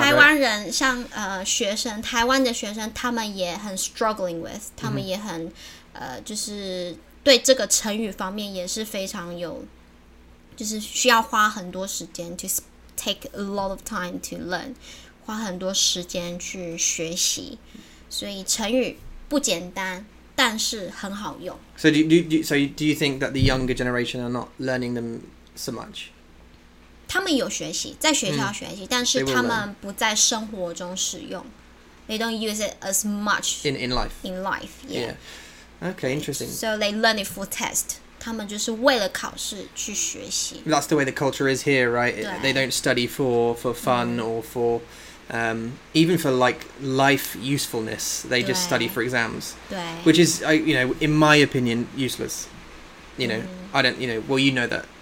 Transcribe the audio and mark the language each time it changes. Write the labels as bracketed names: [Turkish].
[Chinese] 台湾人, right? 像, 学生, 台湾的学生, 他们也很 [English] struggling with, [Chinese] 他们也很, 就是对这个成语方面也是非常有 就是需要花很多时间 [English] to take a lot of time to learn, [Chinese] 花很多时间去学习, 所以成语不简单, 但是很好用。 [English] So do you think that the younger generation are not learning them so much? [Chinese] 他们有学习, 在学校学习, 但是他们不在生活中使用。 [English] They don't use it as much in life. Yeah. Okay, interesting. So they learn it for test. [Chinese] 他们就是为了考试去学习. [English] That's the way the culture is here, right? They don't study for fun or for even for like life usefulness. They just study for exams, which is, you know, in my opinion, useless. You know, I don't, you know, well, you know that